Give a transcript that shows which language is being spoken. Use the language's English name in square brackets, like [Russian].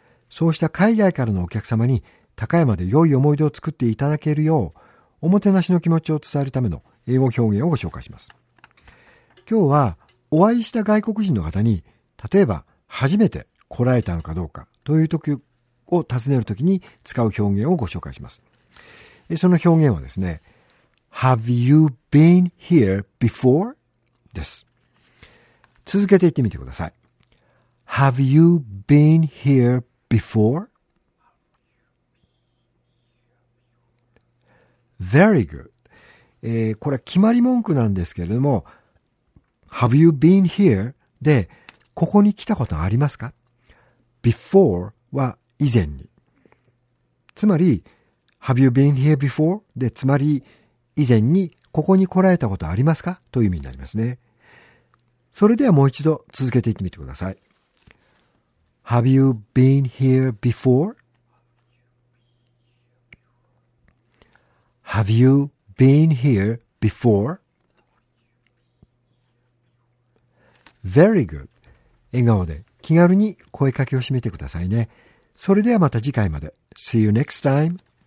[Japanese] そうした海外からのお客様に高山で良い思い出を作っていただけるよう、おもてなしの気持ちを伝えるための英語表現をご紹介します。今日はお会いした外国人の方に、例えば初めて来られたのかどうかという時を尋ねるときに使う表現をご紹介します。その表現はですね、 [English] Have you been here before? [Japanese] です。続けて言ってみてください。 [English] Have you been here before?Very good.、 [Japanese] これは決まり文句なんですけれども、 [English] Have you been here? [Japanese] で、ここに来たことありますか ?before は以前に。つまり、 [English] Have you been here before? [Japanese] で、つまり、以前にここに来られたことありますかという意味になりますね。それではもう一度続けていってみてください。 [English] Have you been here before?Have you been here before?Very good. [Japanese] 笑顔で気軽に声かけを締めてくださいね。それではまた次回まで。 [English] See you next time.